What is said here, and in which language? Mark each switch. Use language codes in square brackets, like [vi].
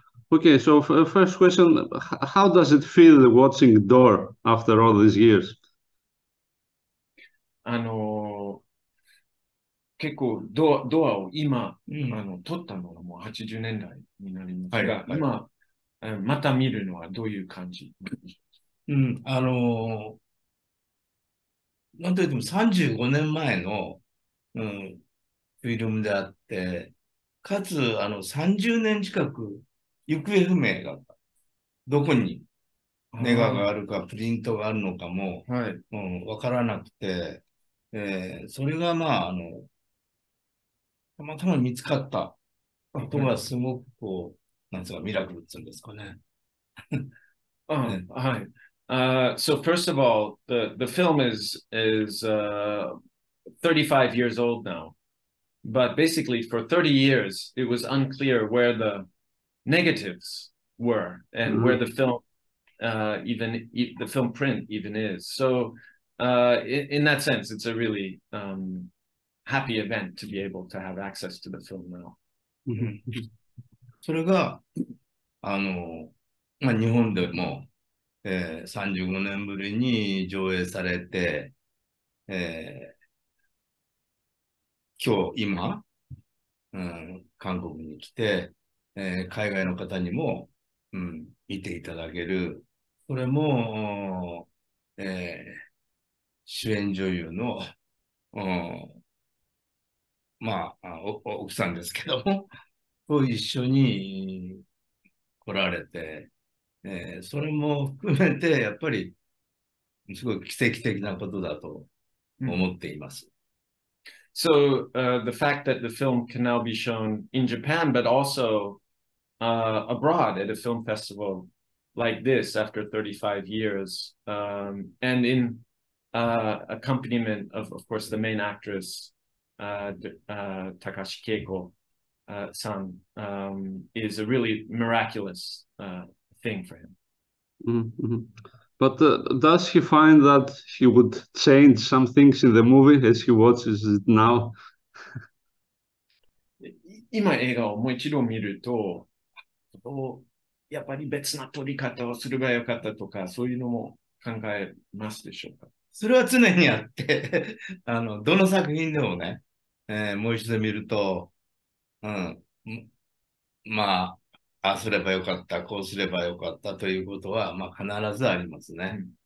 [en] Okay, so first question, how does it feel watching Door after all these years? [ja] 結構ドアを今、撮ったのがもう80年代になりますが、今、また見るのはどういう感じ？なんといっても35年前の、フィルムであって、かつ30年近く行方不明だった。どこにネガがあるか、プリントがあるのかも、わからなくて、それがたまたま見つかったことがすごくこう、なんつうか、ミラクルっつうんですかね。ね。 [en] So first of all, the film is 35 years old now, but basically for 30 years it was unclear where the negatives were and where the film even e the film print even is. So in that sense, it's a really happy event to be able to have access to the film now. [ja] それが、日本でも、35年ぶりに上映されて、今、韓国に来て、海外の方にも、見ていただける。これも、主演女優の、奥さんですけども と一緒に来られて、それも含めて、やっぱり、すごい奇跡的なことだと思っています。 [en] So the fact that the film can now be shown in Japan, but also abroad at a film festival like this after 35 years, and in accompaniment of course, the main actress, Takashi Keiko san, is a really miraculous thing for him. But does he find that he would change some things in the movie as he watches it now? [ja] 今映画をもう一度見ると、やっぱり別な撮り方をすればよかったとか、そういうのも考えますでしょうか？それは常にあって どの作品でもね、もう一度見ると、ああすればよかった、こうすればよかったということは、必ずありますね。